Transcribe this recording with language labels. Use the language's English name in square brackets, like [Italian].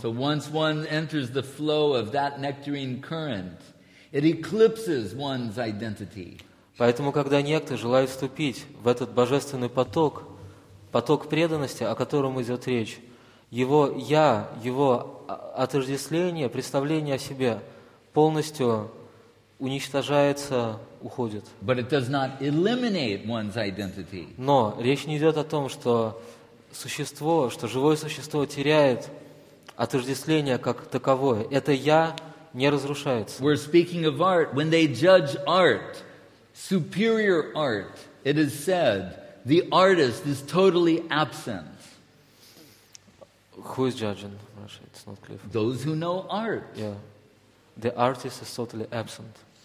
[English] So once one enters the flow of that nectarine current, it eclipses one's identity. [Russian] Поэтому, когда некто желает вступить в этот божественный поток, поток преданности, о котором идет речь, его «я», его отождествление, представление о себе – полностью уничтожается, уходит. [English] But it does not eliminate one's identity. [Russian] Но речь не идет о том, что существо, что живое существо теряет отождествление как таковое. Это «я» не разрушается. [English] We're speaking of art. When they judge art, superior art, it is said, the artist is totally absent. Who is judging? Russia, it's not clear. Those who know art. Yeah. The artist is totally absent.